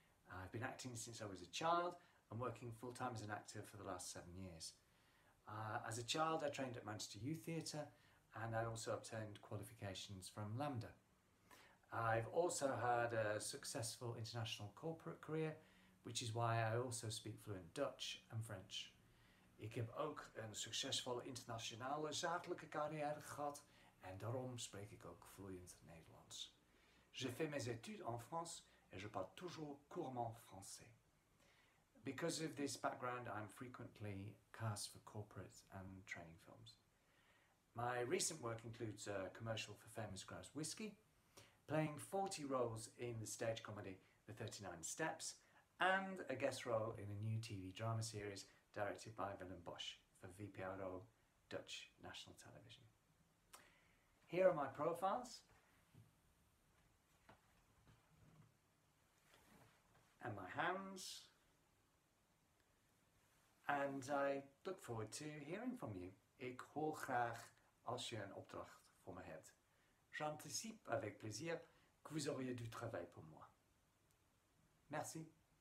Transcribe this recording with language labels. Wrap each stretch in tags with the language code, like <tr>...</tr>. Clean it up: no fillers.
<en>I've been acting since I was a child and working full-time as an actor for the last 7 years. As a child I trained at Manchester Youth Theatre and I also obtained qualifications from Lambda. I've also had a successful international corporate career, which is why I also speak fluent Dutch and French.</en> <nl>Ik heb ook een succesvolle internationale zakelijke carrière gehad en daarom spreek ik ook vloeiend Nederlands.</nl> <fr>Je fais mes études en France et je parle toujours couramment français.</fr> <en>Because of this background, I'm frequently cast for corporate and training films. My recent work includes a commercial for Famous Grouse Whiskey, playing 40 roles in the stage comedy The 39 Steps, and a guest role in a new TV drama series directed by Willem Bosch for VPRO Dutch National Television. Here are my profiles. And my hands. And I look forward to hearing from you.</en> <nl>Ik hoor graag als je een opdracht voor me hebt.</nl> <fr>J'anticipe avec plaisir que vous auriez du travail pour moi. Merci.</fr>